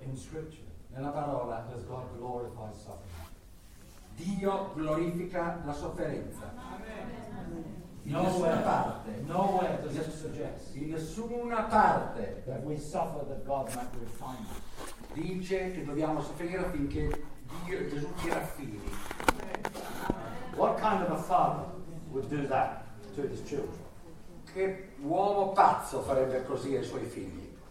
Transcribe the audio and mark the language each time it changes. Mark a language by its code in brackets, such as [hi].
[en] in Scripture, [it] nella parola, [en] does God glorify suffering. [it] Dio glorifica la sofferenza. [en] Amen. Nowhere does it suggest. [it] In nessuna parte, [en] that we suffer that God might refine us. [it] Dice che dobbiamo soffrire affinché Dio Gesù ci raffini. [en] What kind of a father would do that to his children? [it] Che uomo pazzo farebbe così ai suoi figli?